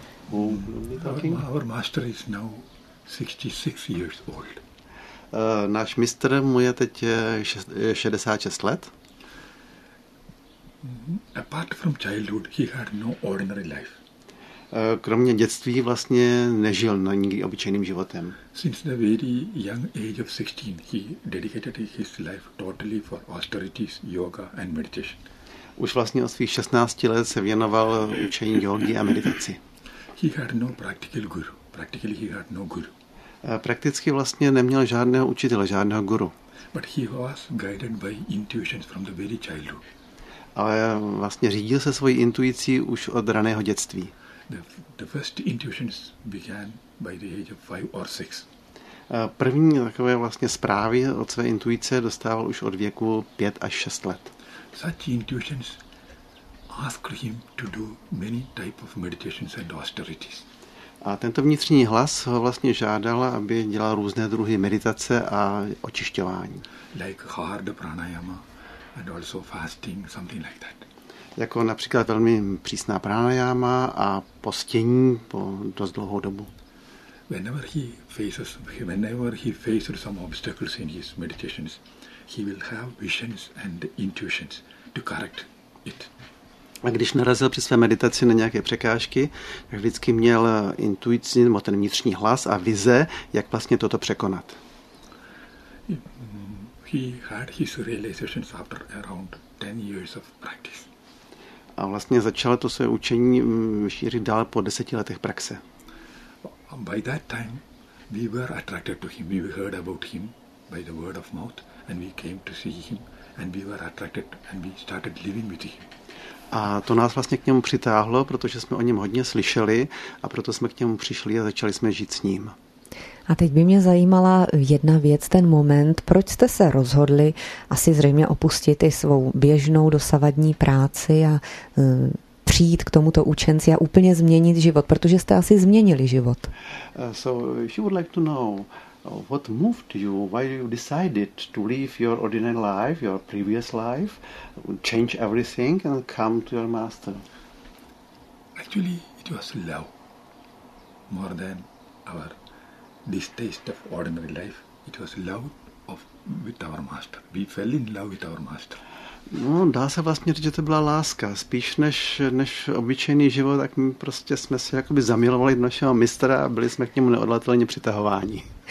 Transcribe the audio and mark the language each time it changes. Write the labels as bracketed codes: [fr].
[en] Our master is now 66 years old. [cs] Náš mistr mu je teď 66 let. [en] Apart from childhood, he had no ordinary life. [cs] Kromě dětství vlastně nežil na nikdy obyčejným životem. [en] Since the very young age of 16, he dedicated his life totally for austerities, yoga and meditation. [cs] Už vlastně od svých 16 let se věnoval učení jógy a meditaci. [en] He had no practical guru. Practically he had no guru. [cs] Prakticky vlastně neměl žádného učitele, žádného guru. [en] But he was guided by intuitions from the very childhood. [cs] Ale vlastně řídil se svojí intuicí už od raného dětství. [en] The first intuitions began by the age of 5 or 6. [cs] První takové vlastně zprávy od své intuice dostával už od věku 5 až 6 let. [en] Such intuitions asked him to do many type of meditations and austerities. [cs] A tento vnitřní hlas ho vlastně žádal, aby dělal různé druhy meditace a očišťování. [en] Like hard pranayama. And also fasting, something like that. [cs] Jako například velmi přísná pranayama a postění po dost dlouhou dobu. [en] Whenever he faces some obstacles in his meditations, he will have visions and intuitions to correct it. [cs] A když narazil při své meditaci na nějaké překážky, tak vždycky měl intuici, nebo ten vnitřní hlas a vize, jak vlastně toto překonat. [en] He had his realizations after around 10 years of practice. [cs] A vlastně začal to své učení šířit dál po 10 letech praxe. [en] By that time we were attracted to him. We heard about him by the word of mouth and we came to see him and we were attracted and we started living with him. [cs] A to nás vlastně k němu přitáhlo, protože jsme o něm hodně slyšeli a proto jsme k němu přišli a začali jsme žít s ním. A teď by mě zajímala jedna věc, ten moment, proč jste se rozhodli asi zřejmě opustit i svou běžnou dosavadní práci a přijít k tomuto učenci a úplně změnit život, protože jste asi změnili život. [en] So she would like to know what moved you, why you decided to leave your ordinary life, your previous life, change everything and come to your master. Actually, it was love more than our distaste of ordinary life. It was love of with our master. We fell in love with our master. [cs] No, dá se vlastně říct, že to byla láska. Spíš než obyčejný život, tak my prostě jsme se jakoby zamilovali do našeho mistra a byli jsme k němu neodolatelně přitahováni.